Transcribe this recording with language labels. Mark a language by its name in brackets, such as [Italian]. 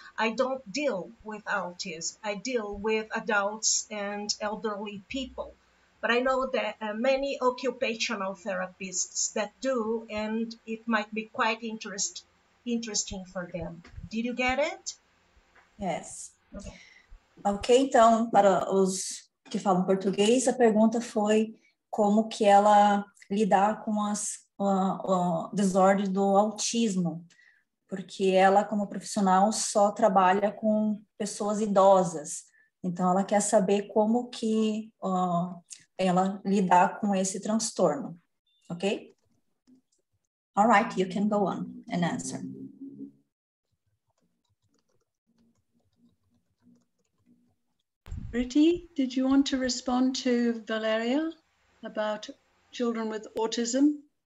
[English] I don't deal with autism. I deal with adults and elderly people. But I know that many occupational therapists that do, and it might be quite interesting for them. Did you get it? Yes. [Portuguese] Okay, então, para os que falam português, a pergunta foi como que ela lidar com as desordens do autismo, porque ela, como profissional, só trabalha com pessoas idosas. Então, ela quer saber como que ela lidar com esse transtorno, ok? [English] All right, you can go on and answer. Priti, did you want to respond to Valeria about children with autism?